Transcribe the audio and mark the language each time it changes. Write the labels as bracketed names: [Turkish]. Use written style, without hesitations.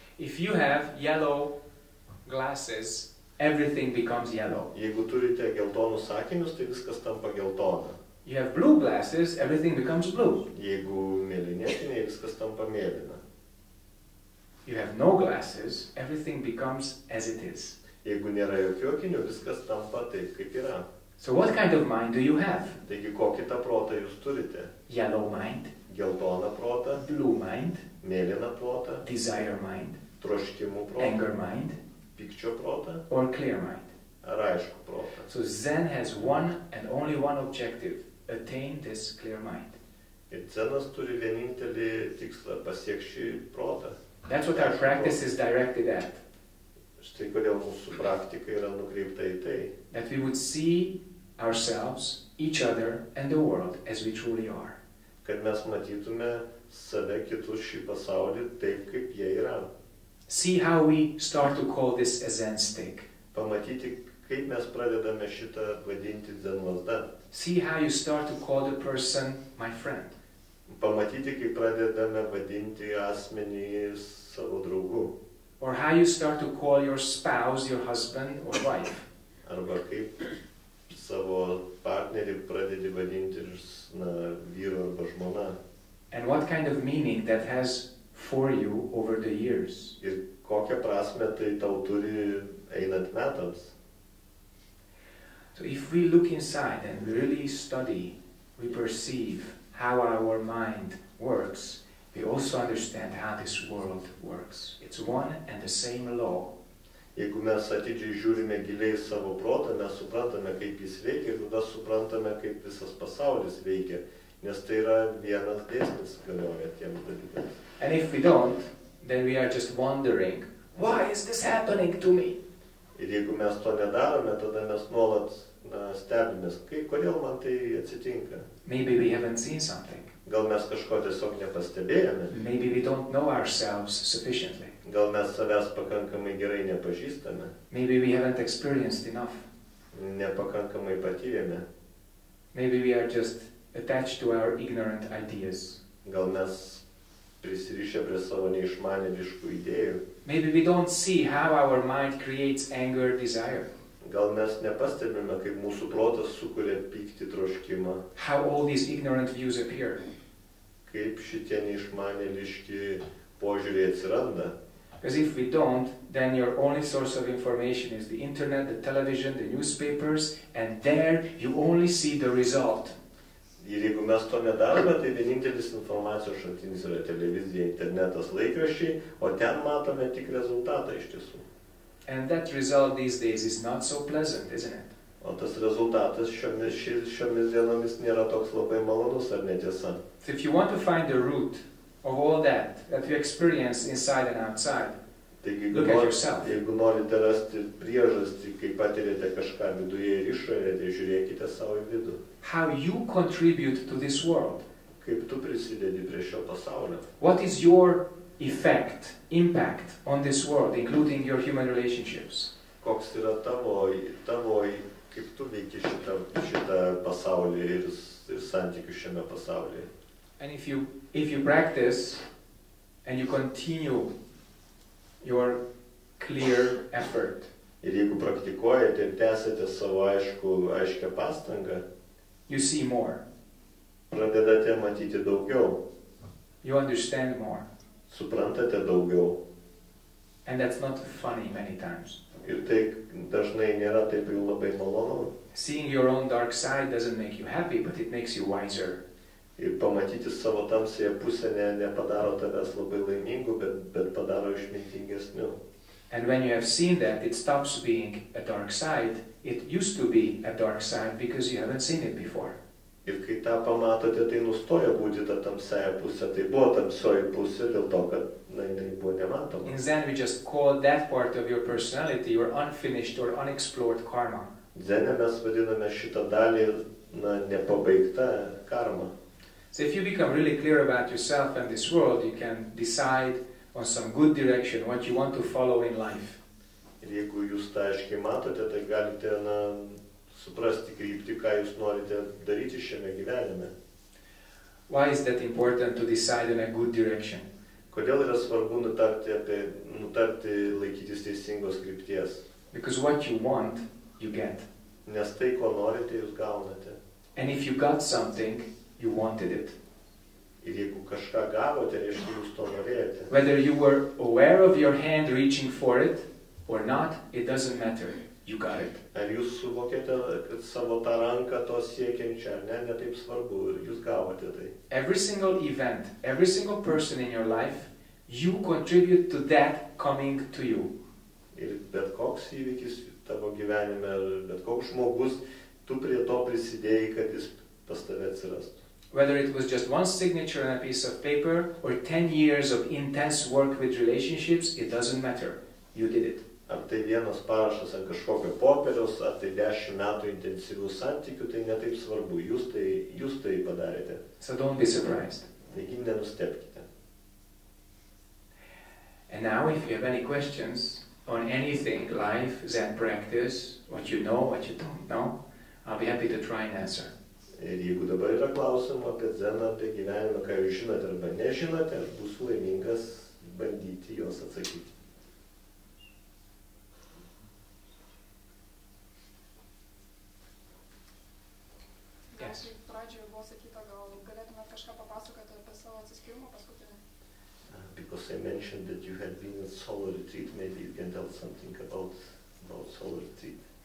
[English] If you have yellow glasses, everything becomes yellow. [Lithuanian] Jeigu turite geltonus akinius, tai viskas tampa geltona. [English] You have blue glasses, everything becomes blue. [Lithuanian] Jeigu mėlynėtiniai, viskas tampa mėlyna. [English] You have no glasses, everything becomes as it is. [Lithuanian] Jeigu nėra jokio akinių, viskas tampa taip, kaip yra. [English] So what kind of mind do you have? [Lithuanian] Taigi, kokį tą protą jūs turite? [English] Yellow mind. [Lithuanian] Geltoną protą. [English] Blue mind. [Lithuanian] Mėlyną protą. [English] Desire mind. [Lithuanian] Troškimų protą. [English] Anger mind. [Lithuanian] Pykčio protą. [English] Or clear mind. [Lithuanian] Ar aišku protą. [English] So Zen has one and only one objective, attain this clear mind. [Lithuanian] Ir Zenas turi vienintelį tikslą, pasiek šį protą. [English] That's what our practice is directed at. [Lithuanian] Štai kodėl mūsų praktika yra nukreipta į tai. [English] That we would see ourselves, each other and the world as we truly are. [Lithuanian] Kad mes matytume save, kitus, šį pasaulį taip, kaip jie yra. [English] See how we start to call this a Zen stick. [Lithuanian] Pamatyti, kaip mes pradedame šitą vadinti dzen lazda. [English] See how you start to call the person my friend. [Lithuanian] Pamatyti, kaip pradedame vadinti asmenį savo draugu. [English] Or how you start to call your spouse, your husband or wife. [Lithuanian] Arba kaip savo partnerį pradedi vadinti vyru arba žmona. [English] And what kind of meaning that has for you over the years. [Lithuanian] Ir kokią prasme tai tau turi einant metams. [English] So if we look inside and really study, we perceive how our mind works, we also understand how this world works. It's one and the same law. [Lithuanian] Jeigu mes atidžiai žiūrime giliai savo protą, mes suprantame, kaip jis veikia, ir tada suprantame, kaip visas pasaulis veikia, nes tai yra vienas dėsnis galioja tiem dalykams. [English] And if we don't, then we are just wondering, why is this happening to me? [Lithuanian] Ir jeigu mes to nedarome, tada mes nuolat stebimės, kodėl man tai atsitinka. [English] Maybe we haven't seen something. [Lithuanian] Gal mes kažko tiesiog nepastebėjome. [English] Maybe we don't know ourselves sufficiently. [Lithuanian] Gal mes savęs pakankamai gerai nepažįstame. [English] Maybe we haven't experienced enough. [Lithuanian] Nepakankamai patyrėme. [English] Maybe we are just attached to our ignorant ideas. [Lithuanian] Gal mes prisirišę prie savo neišmanėliškų idėjų. [English] Maybe we don't see how our mind creates anger or desire. [Lithuanian] Gal mes nepastebime, kaip mūsų protas sukuria pyktį troškimą. [English] How all these ignorant views appear. [Lithuanian] Kaip šitie neišmanėliški požiūriai atsiranda. [English] Because if we don't, then your only source of information is the internet, the television, the newspapers, and there you only see the result. [Lithuanian] Ir jeigu mes to nedarome, tai vienintelis informacijos šaltinis yra televizija, internetas, laikraščiai, o ten matome tik rezultatą iš tiesų. [English] And that result these days is not so pleasant, isn't it? [Lithuanian] O tas rezultatas šiomis dienomis nėra toks labai malonus, ar ne tiesa? [English] So if you want to find the root of all that, that you experience inside and outside, [Lithuanian] taigi, [English] look at yourself. [Lithuanian] Jeigu norite rasti priežastį, kaip patirėte kažką viduje ir išorėje, tai žiūrėkite savo į vidų. [English] How you contribute to this world? [Lithuanian] Kaip tu prisidedi prie šio pasaulio? [English] What is your effect, impact on this world, including your human relationships? [Lithuanian] Koks yra tavo, kaip tu veiki šitą pasaulį ir santykius šiame pasaulyje? [English] And if you practice and you continue your clear effort. [Lithuanian] Ir jeigu praktikuojate ir tęsite savo aiškią pastangą, [English] you see more. [Lithuanian] Pradedate matyti daugiau. [English] You understand more. [Lithuanian] Suprantate daugiau. [English] And that's not funny many times. [Lithuanian] Ir tai dažnai nėra taip jau labai malonu. [English] Seeing your own dark side doesn't make you happy, but it makes you wiser. [Lithuanian] Ir pamatyti savo tamsėje pusę nepadaro tavęs labai laimingu, bet padaro išmintingesniu. [English] And when you have seen that, it stops being a dark side. It used to be a dark side because you haven't seen it before. [Lithuanian] Ir kai tą pamatote, tai nustoja būti ta tamsėje pusė. Tai buvo tamsioji pusė dėl to, kad jinai buvo nematoma. [English] In Zen we just call that part of your personality your unfinished or unexplored karma. [Lithuanian] Zen'e mes vadiname šitą dalį nepabaigtą karmą. [English] So if you become really clear about yourself and this world, you can decide on some good direction what you want to follow in life. [Lithuanian] Ir jeigu jūs tą aiškiai matote, tai galite suprasti kryptį, ką jūs norite daryti šiame gyvenime. [English] Why is that important to decide in a good direction? [Lithuanian] Kodėl yra svarbu nutarti laikytis teisingos krypties? [English] Because what you want, you get. [Lithuanian] Nes tai, ko norite, jūs gaunate. [English] And if you got something, you wanted it. [Lithuanian] Ir jeigu kažką gavote, reiškia, jūs to norėjote. [English] Whether you were aware of your hand reaching for it or not, it doesn't matter. You got it. [Lithuanian] Ar jūs suvokėte, kad savo tą ranką to siekiančią, ar ne, netaip svarbu, ir jūs gavote tai. [English] Every single event, every single person in your life, you contribute to that coming to you. [Lithuanian] Ir bet koks įvykis tavo gyvenime, bet koks žmogus, tu prie to prisidėjai, kad jis pas tave atsirastų. [English] Whether it was just one signature on a piece of paper or 10 years of intense work with relationships, it doesn't matter. You did it. [Lithuanian] Ar tai vienas parašas ar kažkokio popieriaus, ar tai 10 metų intensyvių santykių, tai netaip svarbu. Jūs tai padarėte. [English] So don't be surprised. [Lithuanian] Taigi nenustebkite. [English] And now if you have any questions on anything, life, Zen practice, what you know, what you don't know, I'll be happy to try and answer. [Lithuanian] Ir jeigu dabar yra klausimų apie Zeną, apie gyvenimą, ką jūs žinote arba nežinote, aš būsiu laimingas bandyti jos atsakyti. [English] Yes. [Lithuanian] Kaip pradžioje buvo sakyta, gal galėtumėt kažką papasakoti apie savo atsiskyrimą paskutinį? [English] Because I mentioned that you had been at solo retreat, maybe you can tell something about solo retreat.